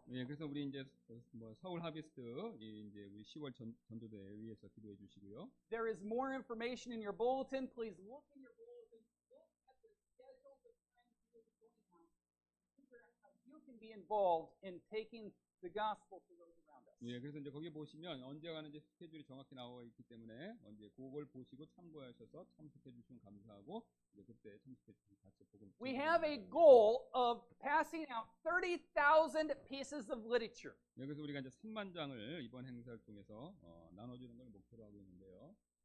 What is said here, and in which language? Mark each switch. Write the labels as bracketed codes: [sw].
[ko] 예, 그래서 우리 이제 뭐 서울 하비스트 이제 우리 10월 전도대회 위해서 기도해 주시고요. [en] There is more information in your bulletin. Please look in your bulletin. Look at the schedule of times you are going on. Figure out how you can be involved in taking the gospel to those around us. [ko] 예, 그래서 이제 거기 보시면 언제 가는지 스케줄이 정확히 나와 있기 때문에 언제 그걸 보시고 참고하셔서 참석해 주시면 감사하고 이제 그때 참석해 주시면 같이 복음. [en] We have a goal of passing out 30,000 pieces of literature. [ko] 예, 그래서 우리가 이제 3만 장을 이번 행사를 통해서 나눠주는 걸 목표로 하고 있는데요.